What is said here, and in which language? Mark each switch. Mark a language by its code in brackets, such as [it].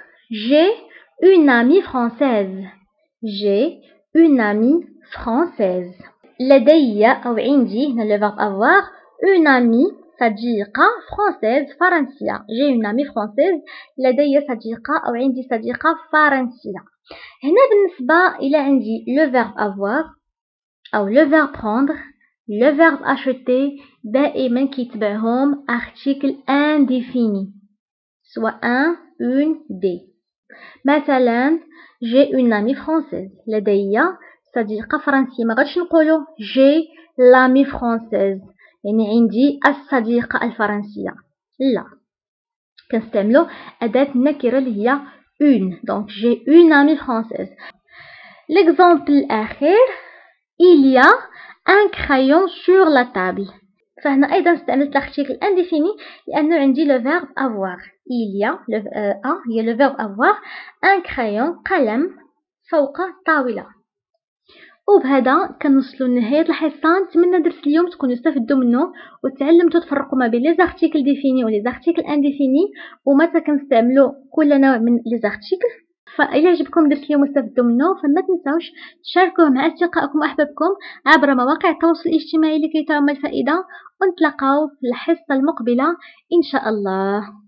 [fr] J'ai une amie française. J'ai une amie française. [ar] لدي أو عندي هنا [fr] le verbe avoir une amie [ar] صديقة [fr] française [ar] فرنسية. [fr] J'ai une amie française. [ar] لدي صديقة أو عندي صديقة فرنسية. هنا بالنسبة إلى عندي [fr] le verbe avoir [ar] أو [fr] le verbe prendre le verbe acheter [ar] دائما كيتبعهم [fr] article indéfini [ar] سواء [fr] un, une, des. [ar] مثلا [fr] j'ai une amie française. [ar] لدي صديقة فرنسية. ما غاديش نقولو [fr] j'ai l'amie française [ar] يعني عندي الصديقة الفرنسية. لا كنستعملو أداة نكرة اللي هي une. [fr] Donc j'ai une amie française. L'exemple [ar] الأخير [fr] il y a un crayon sur la table. [ar] فهنا أيضا استعملت الأرتيكل انديفيني لأنه عندي le verbe avoir. [fr] Il y a le verbe avoir un crayon [ar] قلم فوق طاولة. وبهذا كنوصلوا لنهاية الحصة. نتمنى درس اليوم تكونوا استفدتوا منه وتعلمتوا تفرقوا ما بين لي زارتيكل ديفيني ولي زارتيكل انديفيني ومتى كنستعملوا كل نوع من لي زارتيكل. فإلى عجبكم درس اليوم واستفدتوا منه فما تنساوش تشاركوه مع أصدقائكم وأحبابكم عبر مواقع التواصل الاجتماعي لكي تعم الفائدة. ونتلاقاو في الحصة المقبلة إن شاء الله.